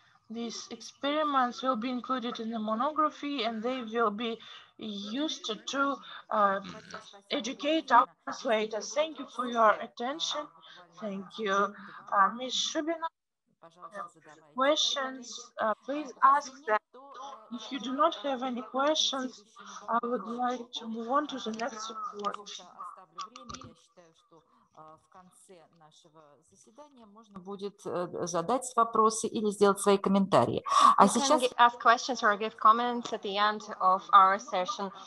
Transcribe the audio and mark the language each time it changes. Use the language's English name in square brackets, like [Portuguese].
[English] These experiments will be included in the monography, and they will be used to educate our translators. Thank you for your attention. Thank you, Ms. Shubina. Questions, please ask them. If you do not have any questions, I would like to move on to the next report. [Russian] оставлю время. Я считаю, что в конце нашего заседания можно будет задать вопросы или сделать свои комментарии. А сейчас... [English] You can ask questions or give comments at the end of our session.